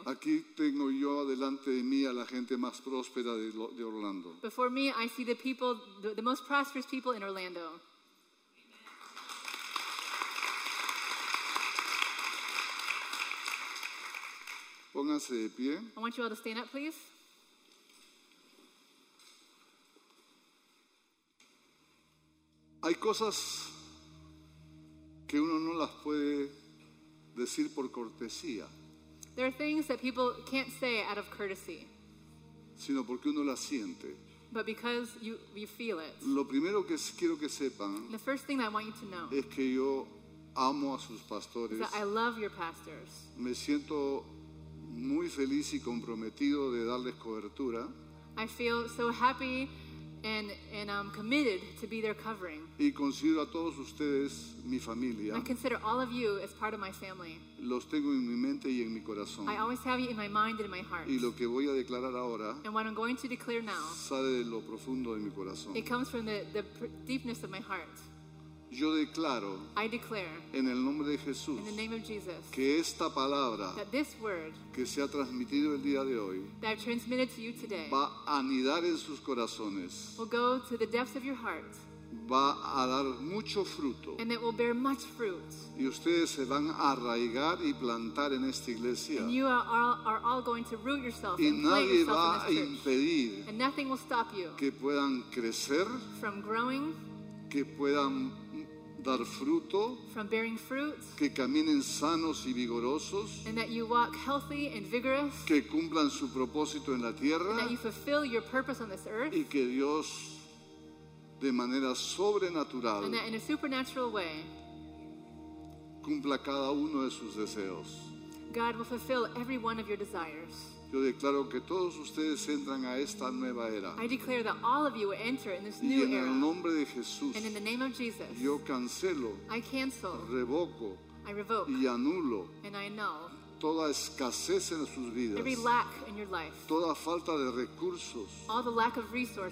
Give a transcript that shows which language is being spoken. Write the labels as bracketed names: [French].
[Spanish] Aquí tengo yo delante de mí a la gente más próspera de Orlando. [English] Before me, I see the people, the most prosperous people in Orlando. [Spanish] Pónganse de pie. [English] I want you all to stand up, please. [Spanish] Hay cosas que uno no las puede decir por cortesía. [English] There are things that people can't say out of courtesy. [Spanish] Sino porque uno las siente. [English] But because you feel it. [Spanish] Lo primero que quiero que sepan. [English] The first thing that I want you to know. [Spanish] Es que yo amo a sus pastores. [English] That I love your pastors. [Spanish] Me siento muy feliz y comprometido de darles cobertura. [English] I feel so happy and I'm committed to be their covering. [Spanish] Y considero a todos ustedes mi familia. [English] I consider all of you as part of my family. [Spanish] Los tengo en mi mente y en mi corazón. [English] I always have you in my mind and in my heart. [Spanish] Y lo que voy a declarar ahora, [English] and what I'm going to declare now, [Spanish] sale de lo profundo de mi corazón. [English] It comes from the deepness of my heart. [Spanish] Yo declaro, [English] I declare, [Spanish] en el nombre de Jesús, [English] in the name of Jesus, [Spanish] que esta palabra, [English] that this word, [Spanish] que se ha transmitido el día de hoy, [English] that I've transmitted to you today, [Spanish] va a anidar en sus corazones, [English] will go to the depths of your heart, [Spanish] va a dar mucho fruto, [English] and it will bear much fruit, [Spanish] y ustedes se van a arraigar y plantar en esta iglesia, [English] and you are all going to root yourself, [Spanish] y nadie va a impedir, [English] and nothing will stop you, [Spanish] que puedan crecer, [English] from growing, [Spanish] que puedan dar fruto, [English] from bearing fruit, [Spanish] que caminen sanos y vigorosos, [English] and that you walk healthy and vigorous, [Spanish] que cumplan su propósito en la tierra, [English] and that you fulfill your purpose on this earth, [Spanish] y que Dios de manera sobrenatural, [English] and that in a supernatural way, [Spanish] cumpla cada uno de sus deseos. [English] God will fulfill every one of your desires. [Spanish] Yo declaro que todos ustedes entran a esta nueva era. [English] I declare that all of you will enter in this [Spanish] y [English] new era. [Spanish] Y en el nombre de Jesús. [English] And in the name of Jesus. [Spanish] Yo cancelo. [English] I cancel. [Spanish] Revoco. [English] I revoke. [Spanish] Y anulo. [English] And I annul. [Spanish] Toda escasez en sus vidas. [English] Every lack in your life. [Spanish] Toda falta de recursos. [English] All the lack of resources.